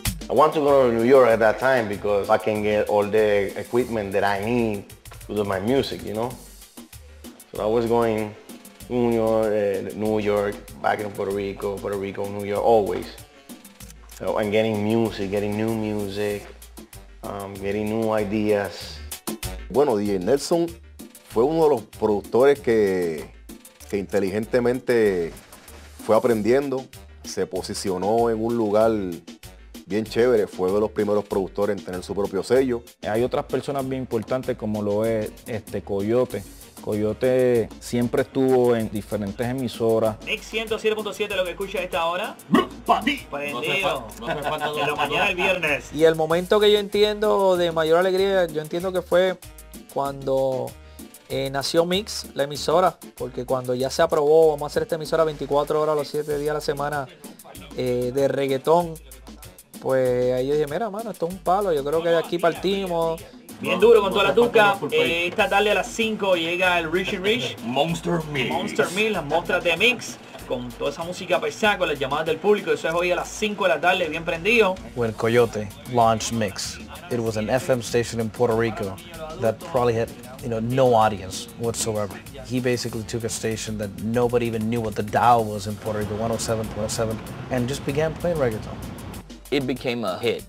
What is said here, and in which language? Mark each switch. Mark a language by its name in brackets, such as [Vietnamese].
[English] I want to go to New York at that time because I can get all the equipment that I need to do my music, you know? So I was going New York, back in Puerto Rico, New York, always. So I'm getting music, getting new music, getting new ideas. [Spanish] Bueno, DJ Nelson fue uno de los productores que inteligentemente fue aprendiendo, se posicionó en un lugar bien chévere, fue de los primeros productores en tener su propio sello. Hay otras personas bien importantes como lo es Coyote. Coyote siempre estuvo en diferentes emisoras. Next 107.7, lo que escucha a esta hora. Prendido. Y el momento que yo entiendo de mayor alegría, yo entiendo que fue cuando nació Mix, la emisora, porque cuando ya se aprobó, vamos a hacer esta emisora 24 horas, los 7 días a la semana de reggaetón, pues ahí yo dije, mira, mano, esto es un palo, yo creo que de aquí partimos. Bien duro con toda la tuca. Esta tarde a las 5 llega el Richie Rich. Monster Mix. Monster Mix, las muestras de Mix. Con toda esa música pesada, con las llamadas del público. Eso es hoy a las 5 de la tarde, bien prendido. [English] When Coyote launched Mix, it was an FM station in Puerto Rico that probably had, you know, no audience whatsoever. He basically took a station that nobody even knew what the dial was in Puerto Rico, 107.7, and just began playing reggaeton. It became a hit.